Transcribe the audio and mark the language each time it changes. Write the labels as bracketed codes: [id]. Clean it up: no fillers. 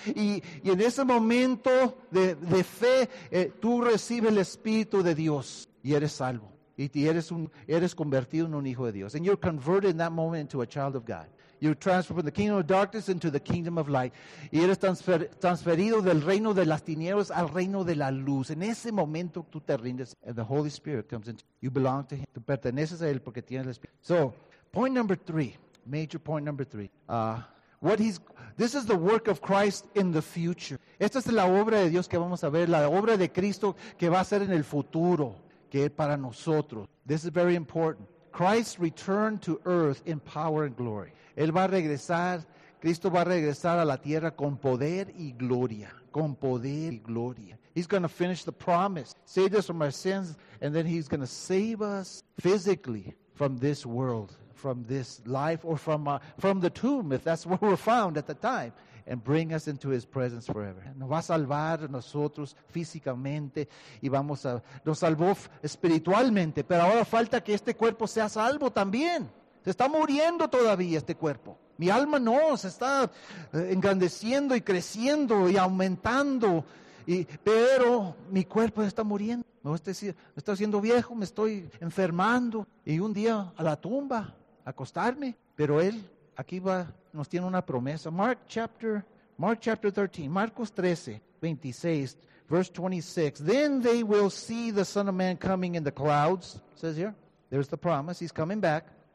[es] Y en ese momento de fe, tú recibes el Espíritu de Dios y eres salvo. Y eres convertido en un hijo de Dios. [en] And you're converted in that moment into a child of God. You're transferred from the kingdom of darkness into the kingdom of light. [es] Y eres transferido del reino de las tinieblas al reino de la luz. En ese momento tú te rindes. [en] And the Holy Spirit comes into you. You belong to Him. [es] Tú perteneces a Él porque tienes el Espíritu. [en] So, point number three. Major point number three. This is the work of Christ in the future. [es] Esta es la obra de Dios que vamos a ver. La obra de Cristo que va a ser en el futuro. Que para nosotros. [en] This is very important. Christ returned to earth in power and glory. [es] Él va a regresar, Cristo va a regresar a la tierra con poder y gloria. Con poder y gloria. [en] He's going to finish the promise. Save us from our sins. And then he's going to save us physically from this world. From this life or from the tomb, if that's where we're found at the time. And bring us into his presence forever. [es] Nos va a salvar a nosotros físicamente. Y vamos a, nos salvó espiritualmente. Pero ahora falta que este cuerpo sea salvo también. Se está muriendo todavía este cuerpo. Mi alma no, se está engrandeciendo y creciendo y aumentando. Pero mi cuerpo está muriendo. Me está haciendo viejo, me estoy enfermando. Y un día a la tumba, a acostarme. Pero Él aquí va, nos tiene una promesa. [en] Mark chapter 13, Marcos 13:26, verse 26. Then they will see the Son of Man coming in the clouds. Says here, there's the promise, he's coming back.